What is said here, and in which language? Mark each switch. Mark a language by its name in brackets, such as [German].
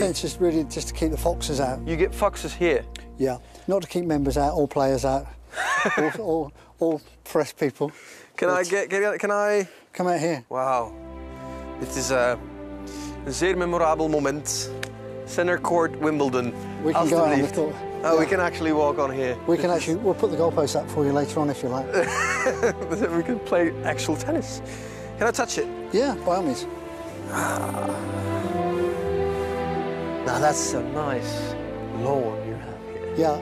[English] Fence is really just to keep the foxes out. You get foxes here? Yeah, not to keep members out or players out, or press people. Can I come out here? [Dutch] Wow, dit is een zeer memorabel moment. [English] Center Court, Wimbledon. We can go on the court. Oh, yeah. We can actually walk on here. We'll put the goalpost up for you later on if you like. Then we can play actual tennis. Can I touch it? Yeah, by all means. Now that's a nice lawn you have here.